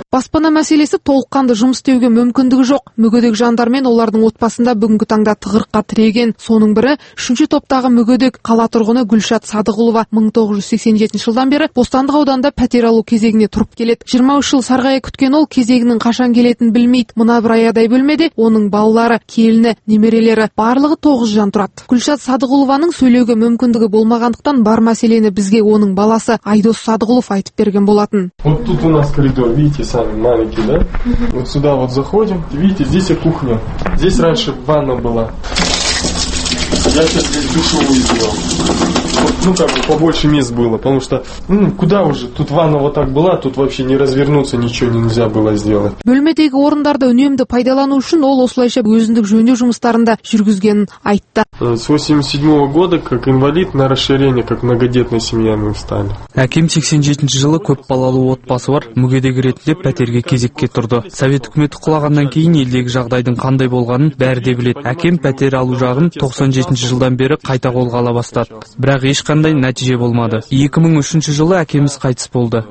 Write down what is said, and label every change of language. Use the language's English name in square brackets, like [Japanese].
[Kazakh] Баспана мәселесі толыққанды жұмыс істеуге мүмкіндігі жоқ. Мүгедек жандар мен олардың отбасында бүгінгі таңда тығырыққа тіреген соның бірі 3-ші топтағы мүгедек қала тұрғыны Гүлшат Садығұлова 1987 жылдан бері Бостандық ауданында пәтер алу кезегіне тұрып келеді. 23 жыл сарғая күткен ол кезегінің қашан келетінін білмейді. Мына бір аядай бөлмеде оның балалары, келіні, немерелері барлығы 9 жан тұрады. Гүлшат Садығұлованың сөйлеуге мүмкіндігі болмағандықтан бар мәселені бізге оның баласы Айдос Садығұлов айтып берген болатын. [Russian] Вот тут у нас коридор, видите, сами маленькие, да? Вот сюда вот заходим, видите, здесь и кухня. Здесь раньше ванна была. Я сейчас здесь душевую сделал. Ну, как бы побольше мест было, потому что, куда уже, тут ванна вот так была, тут вообще не развернуться, ничего нельзя было сделать. [Kazakh] Бөлмедегі орындарды үнемді пайдалану үшін ол осылайша өзіндік жөндеу жұмыстарында жүргізгенін айтты. [Russian] С 87 года как инвалид на расширение, как многодетная семья мы встали. [Kazakh] Әкем 87 жылы көп балалы отбасы бар, мүгедек ретінде пәтерге кезекке тұрды. Совет үкіметі құлағаннан кейін елдегі жағдайдың қандай болғанын бәрі де біледі. Әкем пәтер алу жағын 97 жылдан бері қайта қолға ала бастады. Бірақ ешқандай нәтиже болмады. 2003 жылы әкеміз қайтыс болды.